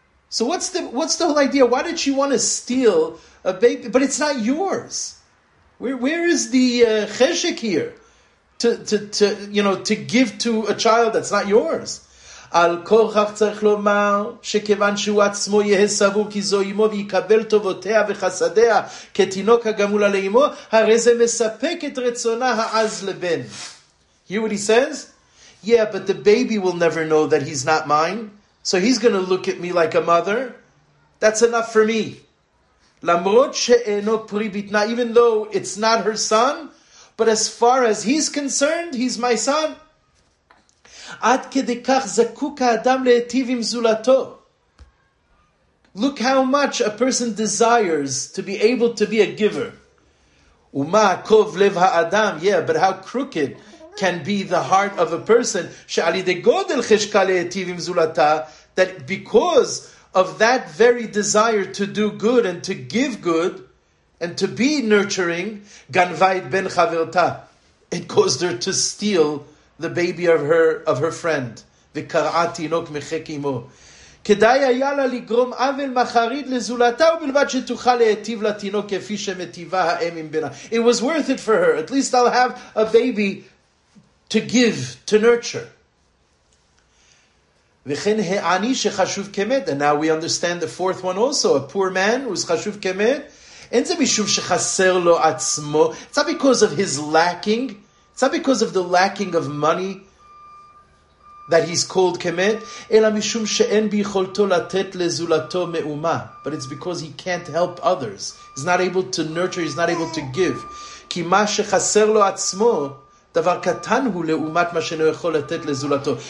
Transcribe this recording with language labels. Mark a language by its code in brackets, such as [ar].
[en] So what's the whole idea? Why did she want to steal a baby? But it's not yours. Where is the cheshek here? To give to a child that's not yours. [he] על כל כך צריך לומר שכיוון שהוא עצמו יהיה סבור כי זו אמו ויקבל טובותיה וחסדיה כתינוק הגמול על אמו, הרי זה מספק את רצונה העז לבן. [en] Hear what he says? Yeah, but the baby will never know that he's not mine. So he's going to look at me like a mother. That's enough for me. [he] למרות שאינו פרי בטנה, [en] even though it's not her son, but as far as he's concerned, he's my son. [he] עד כדי כך זקוק האדם להטיב עם זולתו. [en] Look how much a person desires to be able to be a giver. [he] ומה עקוב לב האדם, [en] yeah, but how crooked can be the heart of a person [he] שעל ידי גודל חשקה להטיב עם זולתה, [en] that because of that very desire to do good and to give good and to be nurturing, [he] גנבה את בן חברתה. [en] It caused her to steal the baby of her friend. [he] וקראה תינוק מחק אמו. כדאי היה לה לגרום עוול מחריד לזולתה ובלבד שתוכל להטיב לתינוק כפי שמטיבה האם עם בנה. [en] It was worth it for her. At least I'll have a baby to give, to nurture. [he] וכן העני שחשוב כמת, [en] and now we understand the fourth one also, a poor man who's [he] חשוב כמת, אין זה משום שחסר לו עצמו, [en] it's not because of his lacking, it's not because of the lacking of money that he's called כמת, [he] אלא משום שאין ביכולתו לתת לזולתו מאומה, [en] but it's because he can't help others, he's not able to nurture, he's not able to give, [he] כי מה שחסר לו עצמו, דבר קטן הוא לעומת מה שאינו יכול לתת לזולתו.